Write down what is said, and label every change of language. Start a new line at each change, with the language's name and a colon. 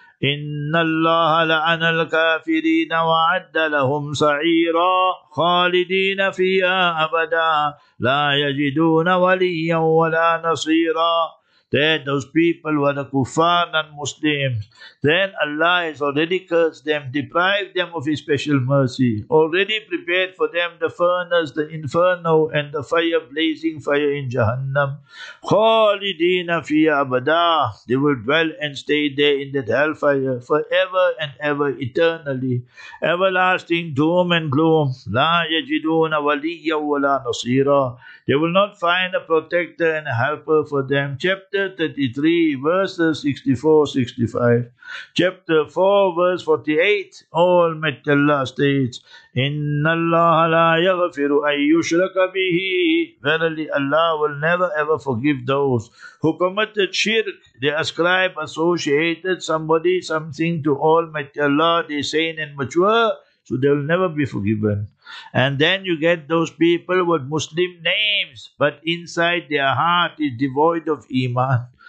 Arabic: إن الله لعن الكافرين وعد لهم سعيرا خالدين فيها أبدا لا يجدون وليا ولا نصيرا.
English: That those people were the kuffar, non-Muslims. Then Allah has already cursed them, deprived them of His special mercy, already prepared for them the furnace, the inferno, and the fire, blazing fire in Jahannam.
Arabic: Khalidina fi abada.
English: They will dwell and stay there in that hellfire forever and ever, eternally. Everlasting doom and gloom.
Arabic: La yajiduna waliya wala nasira.
English: They will not find a protector and a helper for them. Chapter 33, verses 64-65. Chapter 4, verse 48. Almighty Allah states,
Arabic: إِنَّ اللَّهَ لَا يَغْفِرُ أَن يُشْرَكَ بِهِ.
English: Verily, Allah will never ever forgive those who committed shirk. They ascribe, associated somebody, something to Almighty Allah, the sane and mature. So they will never be forgiven. And then you get those people with Muslim names, but inside their heart is devoid of Iman.